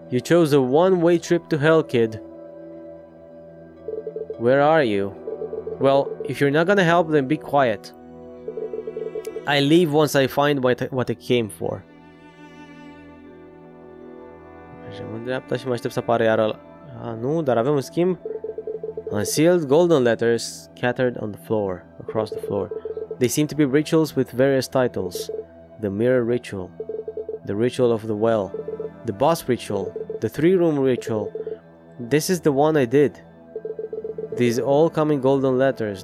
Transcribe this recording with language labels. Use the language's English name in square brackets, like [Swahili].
[English] You chose a one-way trip to hell, kid. Where are you? Well, if you're not gonna help, then be quiet. I leave once I find what I came for. [Romanian] Mergem în dreapta și mă aștept să apară iară ăla. Ah, nu, dar avem un schimb. [English] Unsealed golden letters scattered on the floor, across the floor. They seem to be rituals with various titles. The mirror ritual. The ritual of the well. The boss ritual. The three-room ritual. This is the one I did. These all come in golden letters.